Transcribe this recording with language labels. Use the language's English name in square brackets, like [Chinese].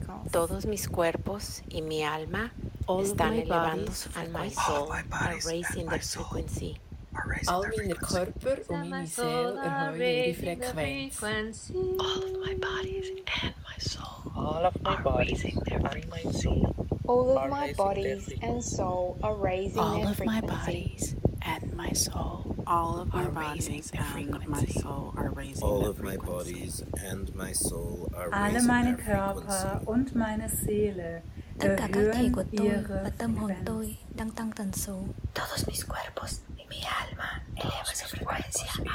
[Spanish] Todos mis cuerpos y mi alma están elevando su frecuencia. [English] All my bodies are raising their frequency. All my bodies and my soul are raising their frequency. All of my bodies and my soul. All of my bodies and my soul. All of my bodies and soul are raising their frequency. All of my bodies and my soul. All of my bodies and my soul are raising their frequency. All of my bodies and my soul are raising their frequency. [German] Alle meine Körper und meine Seele erhöhen ihre Frequenz. [Spanish] Todos mis cuerpos y mi alma elevan su frecuencia.